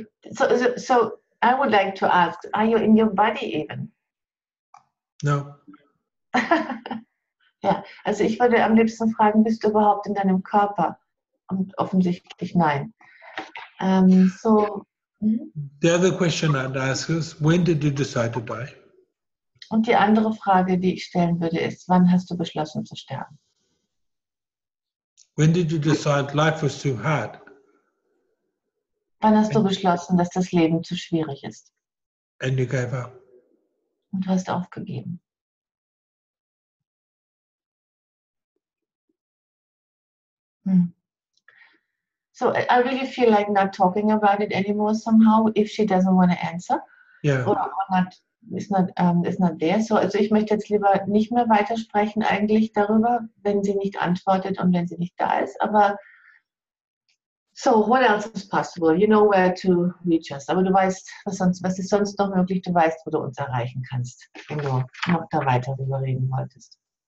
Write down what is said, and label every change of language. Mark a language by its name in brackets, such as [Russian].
[English] So I would like to ask, are you in your body even? No. [German] Ja, also ich würde am liebsten fragen, bist du überhaupt in deinem Körper? Und offensichtlich nein. [English] The other question I'd ask is, when did you decide to die? [German] Und die andere Frage, die ich stellen würde, ist, wann hast du beschlossen zu sterben? [English] When did you decide life was too hard? [German] Wann hast du beschlossen, dass das Leben zu schwierig ist? [English] And you gave up. [German] Und du hast aufgegeben. [English] So, I really feel like not talking about it anymore somehow, if she doesn't want to answer. Yeah. Oder is not there. [German] So, also ich möchte jetzt lieber nicht mehr weitersprechen eigentlich darüber, wenn sie nicht antwortet und wenn sie nicht da ist. [English] Aber, so, what else is possible? You know where to reach us. [German] Aber du weißt, was ist sonst noch möglich? Du weißt, wo du uns erreichen kannst, wenn du noch da weiter drüber reden wolltest.